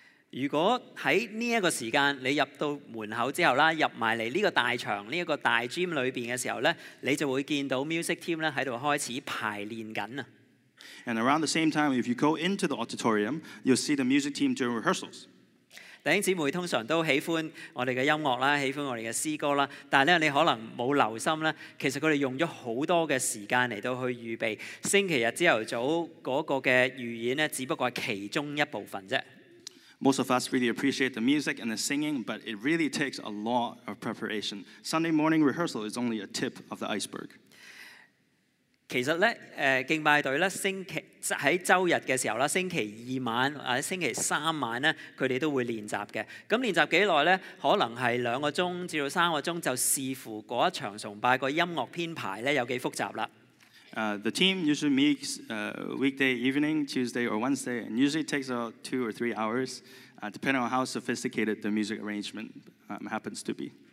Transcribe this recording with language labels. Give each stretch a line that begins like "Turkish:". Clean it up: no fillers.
Cantonese: 如果喺呢一個時間你入到門口之後啦，入埋嚟呢個大場呢一個大 gym 裏邊嘅時候咧，你就會見到 music team 咧喺度開始排練緊啊。
English: And around the same time, if you go into the auditorium, you'll see the music team doing rehearsals.
Cantonese: 弟兄姊妹通常都喜歡我哋嘅音樂啦，喜歡我哋嘅詩歌啦，但咧你可能冇留心咧，其實佢哋用咗好多嘅時間嚟到去預備星期日朝頭早嗰個嘅預演咧，只不過係其中一部分啫。
English: Most of us really appreciate the music and the singing, but it really takes a lot of preparation. Sunday morning rehearsal is only a tip of the iceberg.
Cantonese: 其實咧，敬拜隊咧，星期喺週日嘅時候啦，星期二晚或者星期三晚咧，佢哋都會練習嘅。咁練習幾耐咧？可能係兩個鐘至到三個鐘，就視乎嗰一場崇拜個音樂編排咧有幾複雜啦。
English: The team usually meets weekday evening, Tuesday or Wednesday, and usually it takes about 2 or 3 hours, depending on how sophisticated the music arrangement happens to be.